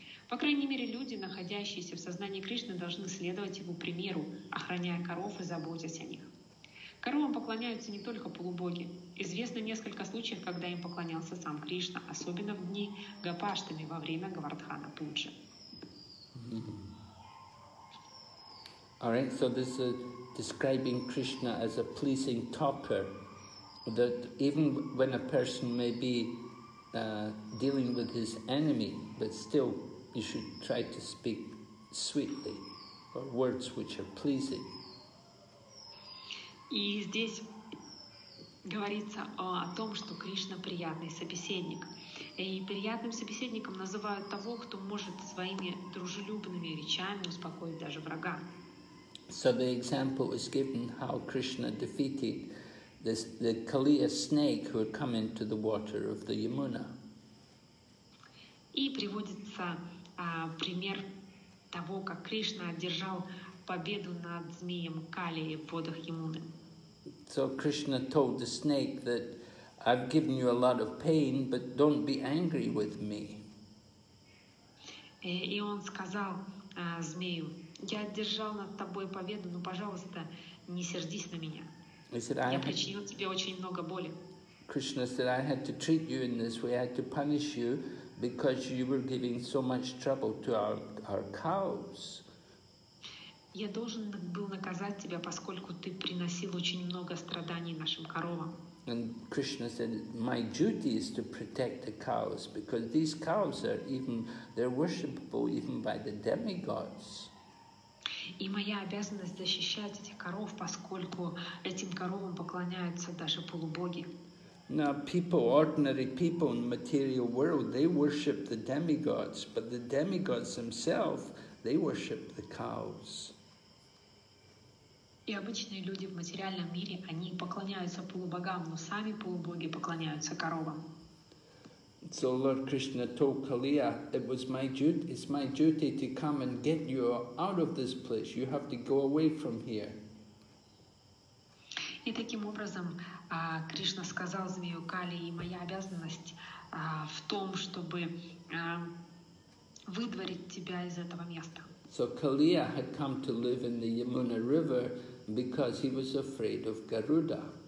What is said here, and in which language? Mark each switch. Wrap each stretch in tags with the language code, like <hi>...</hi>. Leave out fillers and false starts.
<ru>По крайней мере, люди, находящиеся в сознании Кришны, должны следовать его примеру, охраняя коров и заботясь о них. Коровам поклоняются не только полубоги. Известно несколько случаев, когда им поклонялся сам Кришна, особенно в дни Гопаштами во время Гавардхана Пуджи.</ru> <en>Mm-hmm. All right, so this is describing Krishna as a pleasing talker, that even when a person may be dealing with his enemy, but still you should try to speak sweetly, or words which are pleasing.</en> <ru>И здесь говорится о том, что Кришна приятный собеседник. И приятным собеседником называют того, кто может своими дружелюбными речами успокоить даже врага.</ru> <en>So the example is given how Krishna defeated the Kaliya snake who had come into the water of the Yamuna.</en> <ru>И приводится пример того, как Кришна одержал победу над змеем Кали в водах Ямуны.</ru> <en>So Krishna told the snake that I've given you a lot of pain, but don't be angry with me.</en> <ru>И он сказал змею, я одержал над тобой победу, но, пожалуйста, не сердись на меня. Я причинил тебе очень много боли.</ru> <en>Krishna said, I had to treat you in this way, I had to punish you, because you were giving so much trouble to our cows.</en> <ru>Я должен был наказать тебя, поскольку ты приносил очень много страданий нашим коровам.</ru> <en>And Krishna said, my duty is to protect the cows, because these cows are even, they're worshipable even by the demigods.</en> <ru>И моя обязанность защищать этих коров, поскольку этим коровам поклоняются даже полубоги.</ru> <en>Now people, ordinary people in the material world, they worship the demigods, but the demigods themselves, they worship the cows.</en> <ru>И обычные люди в материальном мире, они поклоняются полубогам, но сами полубоги поклоняются коровам.</ru> <en>So Lord Krishna told Kaliya, it was my duty, it's my duty to come and get you out of this place. You have to go away from here.</en> <ru>И таким образом, Кришна сказал змею Кали, и моя обязанность в том, чтобы выдворить тебя из этого места.</ru> <en>So Kaliya had come to live in the Yamuna River because he was afraid of Garuda.</en>